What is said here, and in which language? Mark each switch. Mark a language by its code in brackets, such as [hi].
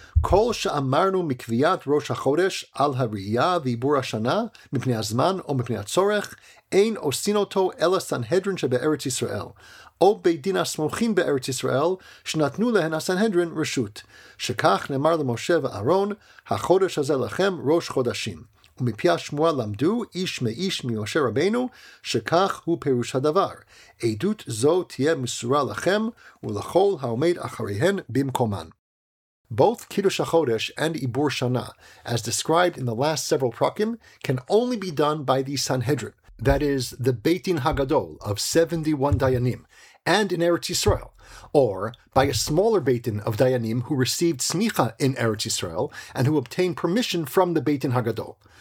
[he] Kol she'amarnu mikviyat Rosh HaChodesh al ha'riya v'ibur ha'shana mipnei hazman o mipnei ha'tzorech ein osin oto ela Sanhedrin she'be'eretz Yisrael o beidin ha'smochim be'eretz Yisrael she'natnu lehen ha'Sanhedrin reshut she'kach ne'mar le'Moshe ve'Aaron ha'chodesh hazeh lechem Rosh Chodashim ומפי השמוע למדו איש מאיש ממשה רבנו שכך הוא פירוש הדבר. עדות זו תהיה מסורה לכם ולכל העומד אחריהן במקומן. [en] Both Kiddush HaChodesh and Ibur Shana, as described in the last several prakim, can only be done by the Sanhedrin, that is, the Beit Din HaGadol of 71 Dayanim, and in Eretz Yisrael, or by a smaller Beit Din of Dayanim who received smicha in Eretz Yisrael and who obtained permission from the Beit Din HaGadol.